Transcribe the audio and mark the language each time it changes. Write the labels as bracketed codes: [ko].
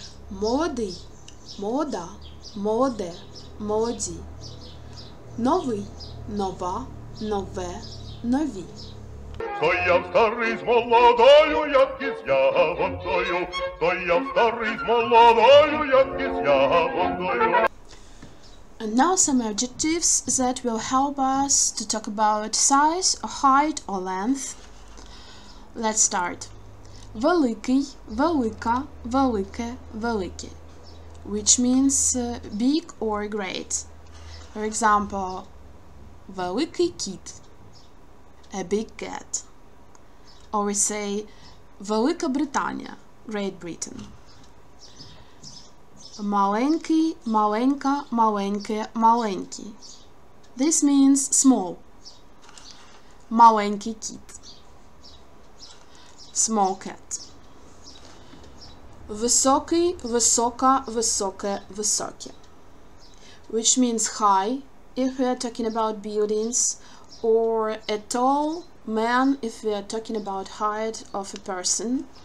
[uk] Молодий, молода, молоде, молоді. Новий, нова, нове, нові. То я старий з молодою, як із ягодою. То я старий з молодою, як із ягодою. [en] And now some adjectives that will help us to talk about size, height, or length. Let's start. [uk] Великий, велика, велике, велике, [en] which means big or great. For example, [uk] великий кіт, [en] a big cat. Or we say, Велика Британія, Great Britain. [uk] Маленький, маленька, маленьке, маленький. [en] This means small. [uk] Маленький кіт. [en] Small cat. [uk] Високий, висока, високе, високе. [en] Which means high, if we are talking about buildings, or a tall man, if we are talking about height of a person.